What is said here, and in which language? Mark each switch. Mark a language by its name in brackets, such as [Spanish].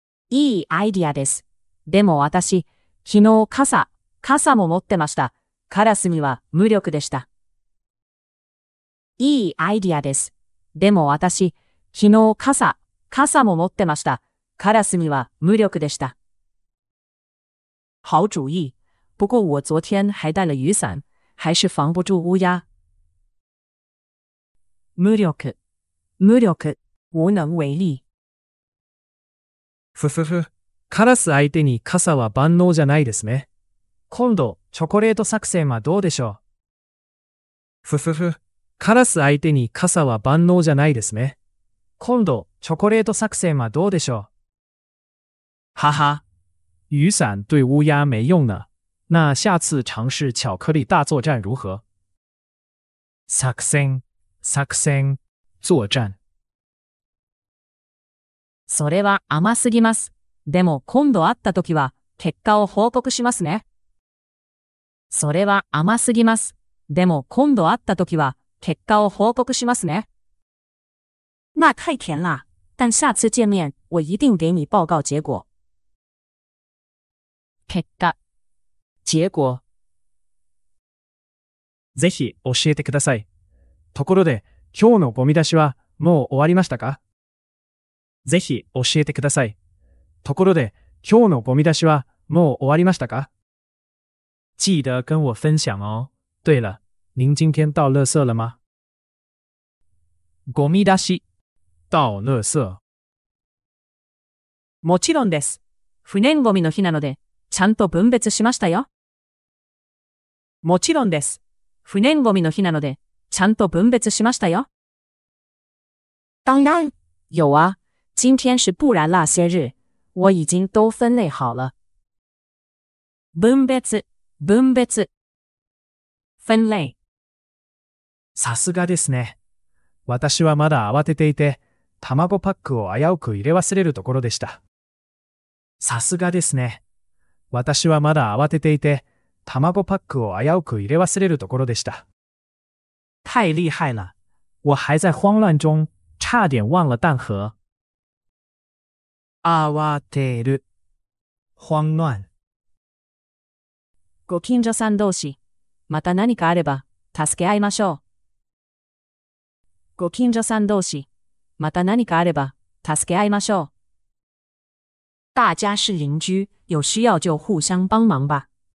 [Japanese] いいアイディアです。でも私、昨日傘も持ってました。カラスには無力でした。いいアイディアです。でも私、昨日傘も持ってました。カラスには無力でした。 [Chinese] 好主意。不过我昨天还带了雨伞，还是防不住乌鸦。 [Japanese] 無力、無力、 [Chinese] 無能為力。 [Japanese] ふふふ、カラス相手に傘は万能じゃないですね。今度、チョコレート作戦はどうでしょう？ふふふ、カラス相手に傘は万能じゃないですね。今度、チョコレート作戦はどうでしょう？はは、 [Chinese] 雨傘对乌鸦没用呢。那下次尝试巧克力大作战如何？ [Japanese] 作戦、作戦、 [Chinese] 作战。 [Japanese] それは甘すぎます。でも今度会った時は結果を報告しますね。それは甘すぎます。でも今度会った時は結果を報告しますね。 [Chinese] 那太甜了。但下次见面、我一定给你报告结果。 [Japanese] 結果。結果。ぜひ教えてください。ところで、今日のゴミ出しはもう終わりましたか？ぜひ教えてください。ところで、今日のゴミ出しはもう終わりましたか？ [Chinese] 记得跟我分享哦。对了、您今天到垃圾了吗？ [Japanese] ゴミ出し。 [Chinese] 到垃圾。 [Japanese] もちろんです。不燃ゴミの日なので、ちゃんと分別しましたよ。もちろんです。不燃ゴミの日なので、ちゃんと分別しましたよ。 [Chinese] 当然。有啊。今天是不燃垃圾日。我已经都分类好了。 [Japanese] 分別、分別。 [Chinese] 分类。 [Japanese] さすがですね。私はまだ慌てていて、卵パックを危うく入れ忘れるところでした。さすがですね。私はまだ慌てていて、卵パックを危うく入れ忘れるところでした。 [Chinese] 太厉害了。我还在慌乱中、差点忘了蛋盒。 [Japanese] 慌てる。 [Chinese] 慌乱。 [Japanese] ご近所さん同士、また何かあれば、助け合いましょう。ご近所さん同士、また何かあれば、助け合いましょう。 [Chinese] 大家是邻居、有需要就互相帮忙吧。